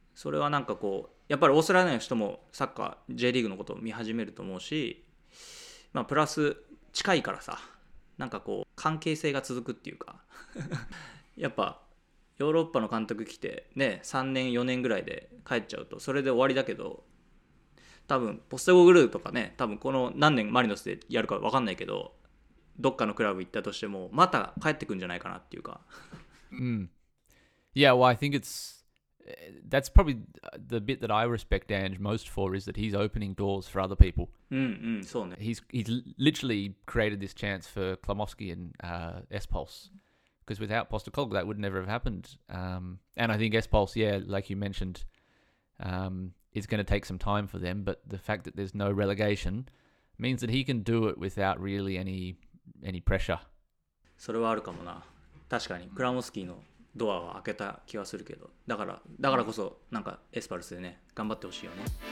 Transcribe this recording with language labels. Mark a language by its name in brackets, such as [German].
[Japanese] それはなんかこうやっぱりオーストラリアの人もサッカー J リーグのことを見始めると思うし、まあ、プラス近いからさ、なんかこう関係性が続くっていうかやっぱヨーロッパの監督来てね、3年4年ぐらいで帰っちゃうとそれで終わりだけど、多分ポステゴグルーとかね、多分この何年マリノスでやるか分かんないけど、どっかのクラブ行ったとしてもまた帰ってくんじゃないかなっていうか、 [English] うん、Yeah, well, I think it's that's probably the bit that I respect Ange most for is that he's opening doors for other people. He's literally created this chance for Klamovsky and S-Pulse. Because without Postecoglou, that would never have happened. And I think S-Pulse, yeah, like you mentioned, is going to take some time for them. But the fact that there's no relegation means that he can do it without really any pressure. [Japanese] それはあるかもな。確かに、クラモスキーのドアは開けた気はするけど、だからこそなんかエスパルスでね、頑張ってほしいよね。